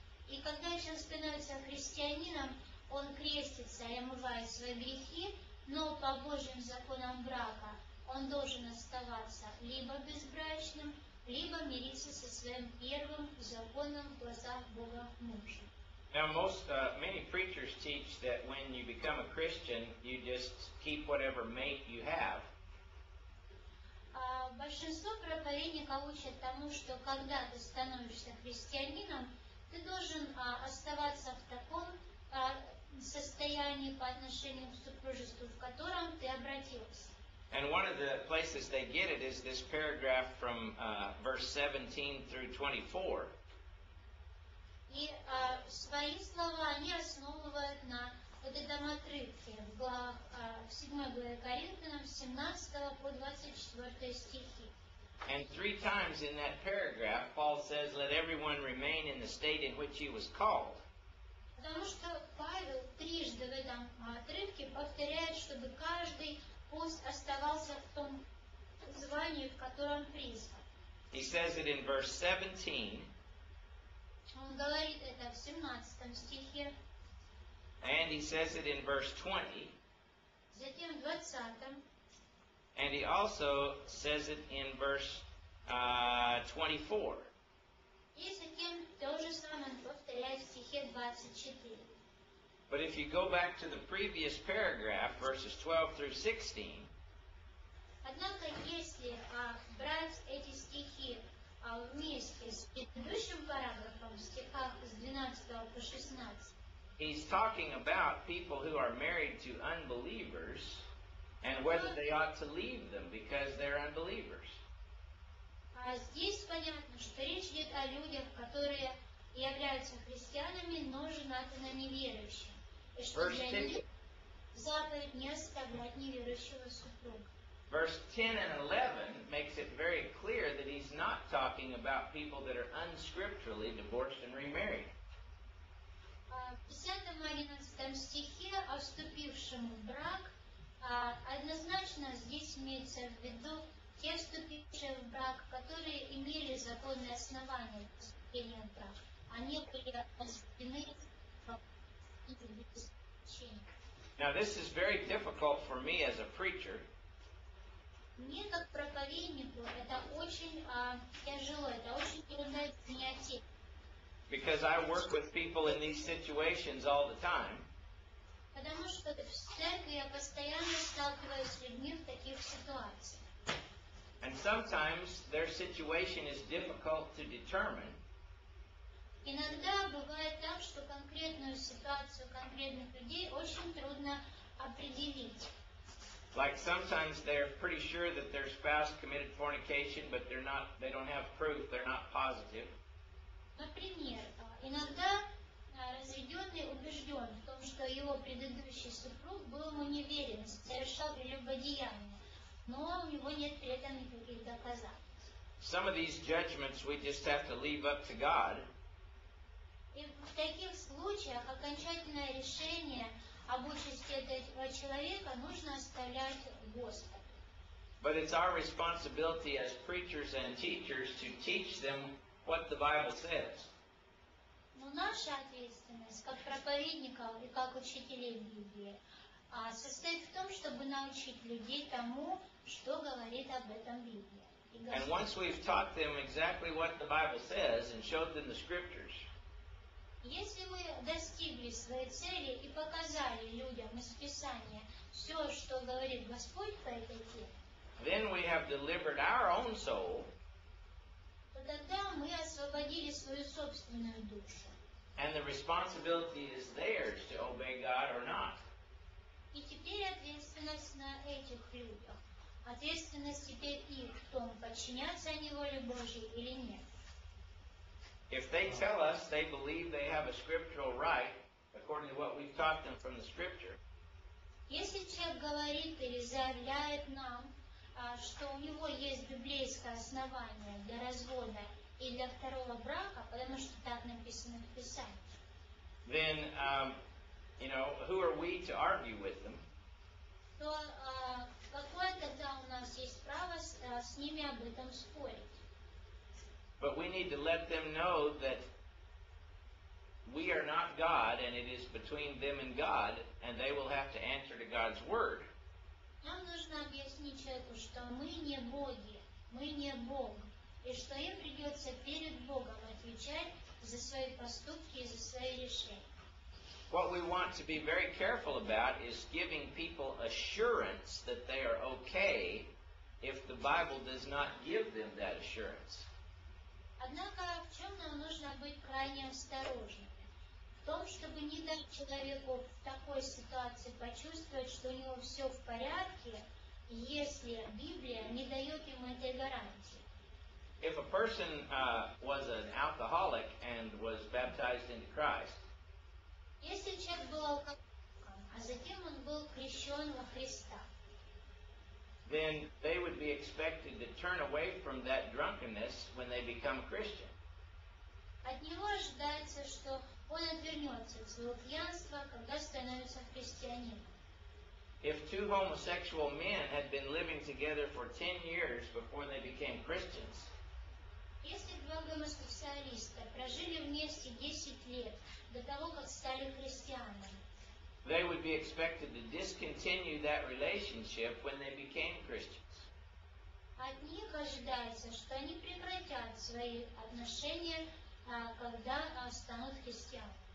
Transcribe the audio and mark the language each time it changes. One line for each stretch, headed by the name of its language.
Russian: И когда человек становится христианином, он крестится и омывает свои грехи, но по Божьим законам брака он должен оставаться либо безбрачным, либо мириться со своим первым законом в глазах Бога мужа.
English: Now, many preachers teach that when you become a Christian, you just keep whatever mate you have.
Russian: Большинство проповедников учат тому, что когда ты становишься христианином, ты должен оставаться в таком состоянии по отношению к супружеству, в котором ты обратился.
English: And one of the places they get it is this paragraph from verse 17 through 24.
Russian: И свои слова они основывают на вот этом отрывке в седьмой главе Коринфянам 17 по 24 стихи.
English: And three times in that paragraph, Paul says, "Let everyone remain in the state in which he was called."
Russian: Потому что Павел трижды в этом отрывке повторяет, чтобы каждый пусть оставался в том звании, в котором призван.
English: He says it in verse 17.
Russian: Он говорит это в 17 стихе.
English: And he says it in verse 20.
Russian: Затем в 20.
English: And he also says it in verse 24.
Russian: И затем то же самое повторяет в стихе 24.
English: But if you go back to the previous paragraph, verses 12 through 16.
Russian: Однако если брать эти стихи, а вместе с предыдущим параграфом, стихах с 12 по 16.
English: He's talking about people who are married to unbelievers and whether they ought to leave them because they're unbelievers.
Russian: А здесь понятно, что речь идет о людях, которые являются христианами, но женаты на неверующих. И что для них заповедь не оставлять неверующего супруга.
English: Verse 10 and 11 makes it very clear that he's not talking about people that are unscripturally divorced and remarried.
Russian: В 10 и 11 стихе о вступившем в брак однозначно здесь имеется в виду те вступившие в брак, которые имели законные основания для вступления в брак. Они были осуждены по исключению.
English: Now this is very difficult for me as a preacher.
Russian: Мне как проповеднику это очень тяжело, это очень трудное занятие.
English: Because I work with people in these situations all the time.
Russian: Потому что в церкви я постоянно сталкиваюсь с людьми в таких ситуациях.
English: And sometimes their situation is difficult to determine.
Russian: Иногда бывает так, что конкретную ситуацию конкретных людей очень трудно определить.
English: Like sometimes they're pretty sure that their spouse committed fornication, but they don't have proof, they're not positive.
Russian: Например, иногда разведенный убежден в том, что его предыдущий супруг был ему неверен, совершал прелюбодеяние, но у него нет при этом никаких доказательств.
English: Some of these judgments we just have to leave up to God.
Russian: И в таких случаях окончательное решение об участи этого человека нужно оставлять Господу.
English: But it's our responsibility as preachers and teachers to teach them what the Bible says.
Russian: Но наша ответственность как проповедников и как учителей Библии состоит в том, чтобы научить людей тому, что говорит об этом Библия.
English: And once we've taught them exactly what the Bible says and showed them the scriptures,
Russian: если мы достигли своей цели и показали людям из Писания все, что говорит Господь по этой теме,
English: then we have delivered our own soul,
Russian: то тогда мы освободили свою собственную душу.
English: And the responsibility is theirs to obey God or not.
Russian: И теперь ответственность на этих людях. Ответственность теперь их в том, подчиняться они воле Божьей или нет.
English: If they tell us they believe they have a scriptural right, according to what we've taught them from the scripture,
Russian: если человек говорит или заявляет нам, что у него есть библейское основание для развода и для второго брака, потому что так написано в Писании,
English: then, you know, who are we to argue with them?
Russian: То какое тогда у нас есть право с ними об этом спорить?
English: But we need to let them know that we are not God, and it is between them and God, and they will have to answer to God's word.
Russian: Нам нужно объяснить человеку, что мы не боги, мы не Бог, и что им придется перед Богом отвечать за свои поступки и за свои решения.
English: What we want to be very careful about is giving people assurance that they are okay if the Bible does not give them that assurance.
Russian: Однако в чем нам нужно быть крайне осторожными? В том, чтобы не дать человеку в такой ситуации почувствовать, что у него все в порядке, если Библия не дает ему этой гарантии.
English: If a person was an alcoholic and was baptized into Christ,
Russian: если человек был алкоголиком, а затем он был крещен во Христа,
English: then they would be expected to turn away from that drunkenness when they become Christian.
Russian: От него ожидается, что он отвернется от своего пьянства, когда становится христианином.
English: If two homosexual men had been living together for 10 years before they became Christians,
Russian: если два гомосексуалиста прожили вместе 10 лет до того, как стали христианами,
English: they would be expected to discontinue that relationship when they became Christians.
Russian: От них ожидается, что они прекратят свои отношения, когда станут христианами.